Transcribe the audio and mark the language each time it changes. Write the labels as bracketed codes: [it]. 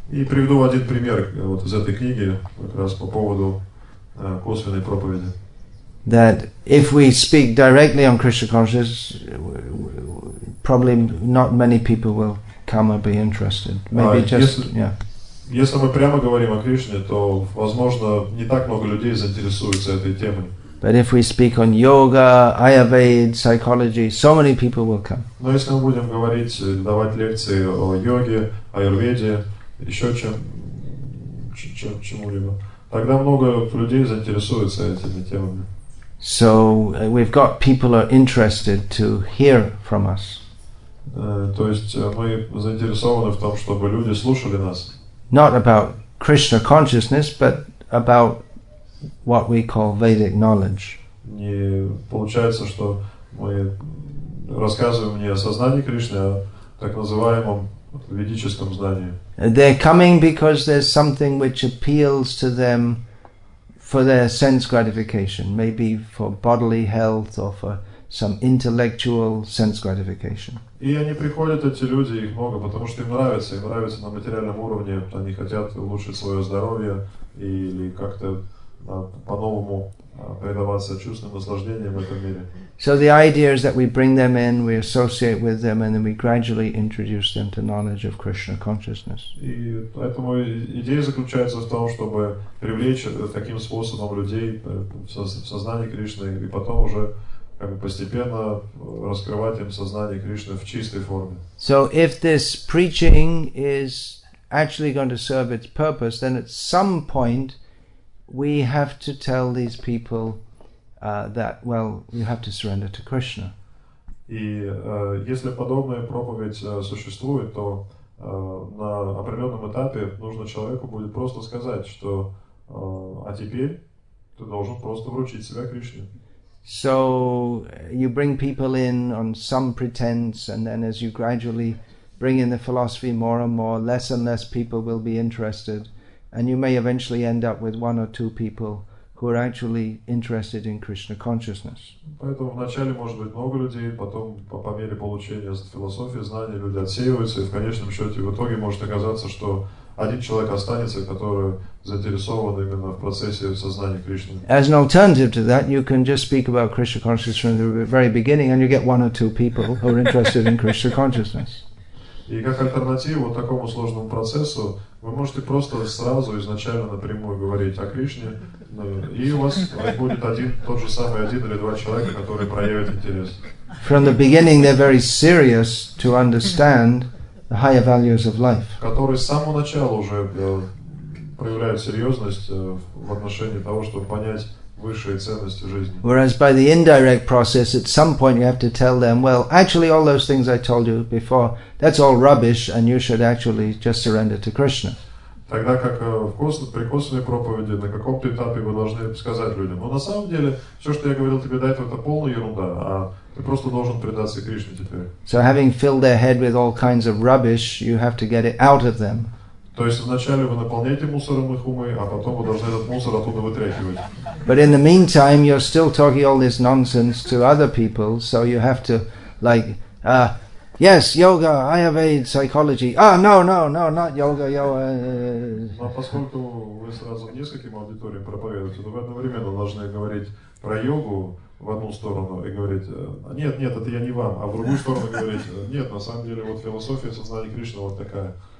[ru] И приведу один пример вот из этой книги как раз по поводу косвенной проповеди. [en] That if we speak directly on Krishna consciousness, probably not many people will come or be interested. Maybe [ru] Если мы прямо говорим о Кришне, то, возможно, не так много людей заинтересуются этой темой. [en] But if we speak on yoga, Ayurveda, psychology, so many people will come. [ru] Но если мы будем говорить, давать лекции о йоге, Аюрведе, еще чему-либо, тогда много людей заинтересуются этими темами. [en] So we've got people are interested to hear from us. [ru] То есть мы заинтересованы в том, чтобы люди слушали нас. [en] Not about Krishna consciousness, but about what we call Vedic knowledge. [ru] Не получается, что мы рассказываем не о сознании Кришны, а так называемом ведическом знании. [en] They're coming because there's something which appeals to them for their sense gratification, maybe for bodily health or for some intellectual sense gratification. [ru] И они приходят, эти люди, их много, потому что им нравится на материальном уровне, они хотят улучшить свое здоровье или как-то по-новому предаваться чувственным наслаждениям в этом мире. [en] So the idea is that we bring them in, we associate with them, and then we gradually introduce them to knowledge of Krishna consciousness. [ru] И поэтому идея заключается в том, чтобы привлечь таким способом людей в сознание Кришны, и потом уже как бы постепенно раскрывать им сознание Кришны в чистой форме. [en] So if this preaching is actually going to serve its purpose, then at some point we have to tell these people That well, you have to surrender to Krishna. [ru] И если подобная проповедь существует, то на определенном этапе нужно человеку будет просто сказать, что а теперь ты должен просто вручить себя Кришне. [en] So you bring people in on some pretense, and then as you gradually bring in the philosophy more and less people will be interested, and you may eventually end up with one or two people who are actually interested in Krishna consciousness. [ru] Поэтому вначале может быть много людей, потом по мере получения философии знаний люди отсеиваются, и в конечном счете в итоге может оказаться, что один человек останется, который заинтересован именно в процессе сознания Кришны. [en] As an alternative to that, you can just speak about Krishna consciousness from the very beginning, and you get one or two people who are interested in Krishna consciousness. [ru] И как альтернативу такому сложному процессу, вы можете просто сразу изначально напрямую говорить о Кришне, и у вас будет тот же самый один или два человека, которые проявят интерес. [en] From the beginning, they're very serious to understand the higher values of life. [ru] Которые с самого начала уже проявляют серьезность в отношении того, чтобы понять высшие ценности жизни. [en] Whereas by the indirect process, at some point you have to tell them, well, actually all those things I told you before, that's all rubbish, and you should actually just surrender to Krishna. [ru] Тогда как при косвенной проповеди, на каком-то этапе вы должны сказать людям, ну на самом деле, все, что я говорил тебе до этого, это полная ерунда, а ты просто должен предаться Кришне теперь. [en] So having filled their head with all kinds of rubbish, you have to get it out of them. [ru] То есть вначале вы наполняете мусором их умы, а потом вы должны этот мусор оттуда вытряхивать. [en] But in the meantime, you're still talking all this nonsense to other people, so you have to, like, yes, yoga, Ayurveda, psychology. Ah, no, not yoga, yoga. [ru] Но поскольку вы сразу нескольким аудиториям проповедуете, то вы одновременно должны говорить про йогу в одну сторону и говорить, нет, это я не вам, а в другую сторону говорить, нет, на самом деле, вот философия сознания Кришны вот такая.